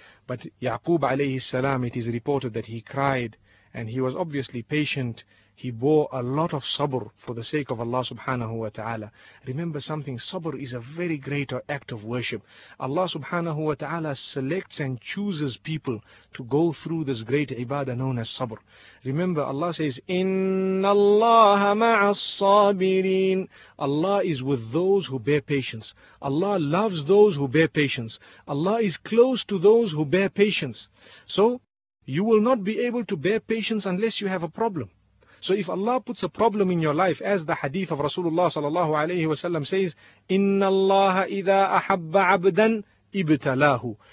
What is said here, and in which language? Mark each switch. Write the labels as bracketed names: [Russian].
[English] But Yaqub alayhi salam, it is reported that he cried, and he was obviously patient. He bore a lot of sabr for the sake of Allah subhanahu wa ta'ala. Remember something, sabr is a very great act of worship. Allah subhanahu wa ta'ala selects and chooses people to go through this great ibadah known as sabr. Remember Allah says, [Arabic] إِنَّ اللَّهَ مَعَ الصَّابِرِينَ. [English] Allah is with those who bear patience. Allah loves those who bear patience. Allah is close to those who bear patience. So, you will not be able to bear patience unless you have a problem. So if Allah puts a problem in your life, as the hadith of Rasulullah sallallahu alayhi wasallam says, [Arabic] إِنَّ اللَّهَ إِذَا أَحَبَّ عَبْدًا إِبْتَلَاهُ.